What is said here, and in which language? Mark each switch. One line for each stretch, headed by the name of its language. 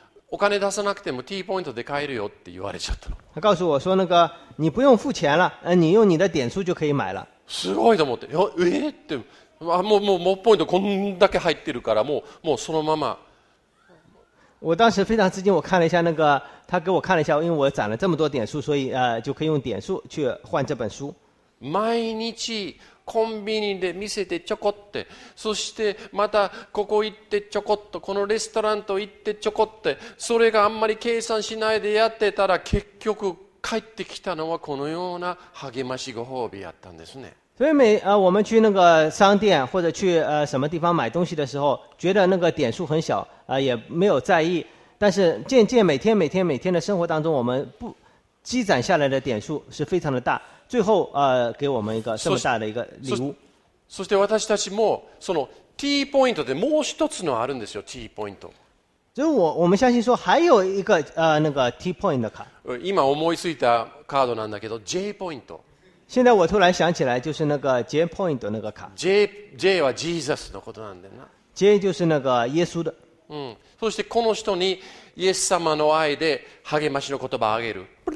Japanese: お金出さなくても T ポイントで買えるよって言われちゃったの。
Chinese: 他告诉我说那个你不用付钱了，你用你的点数就可以买了。
Japanese: すごいと思って、って、もうポイントこんだけ入ってるから、もうそのまま。
Chinese: 我当时非常吃惊，我看了一下那个，他给我看了一下，因为我攒了这么多点数，所以就可以用点数去换这本书。
Japanese: 毎日コンビニで見せてちょこって、そしてまたここ行ってちょこっと、このレストランと行ってちょこって、それがあんまり計算しないでやってたら、結局帰ってきたのはこのような励ましご褒美やったんですね。
Chinese: 所以每我们去那个商店或者去什么地方买东西的时候，觉得那个点数很小也没有在意。但是渐渐每天每天每天的生活当中，我们不积攒下来的点数是非常的大，最后给我们一个这么大的一个礼物。
Japanese: そして私たちもその T ポイントでもう一つのあるんですよ T ポイント。
Chinese: 所以我们相信说还有一个那个
Japanese: T ポイントの
Chinese: 卡。
Japanese: 今思いついたカードなんだけど J ポイント。
Chinese: 现在我突然想起来就是那个 J ポイント那个卡。
Japanese: J はジーザスのことなんだよな。
Chinese: J 就是那个耶稣的。
Japanese: そしてこの人にイエス様の愛で励ましの言葉をあげる。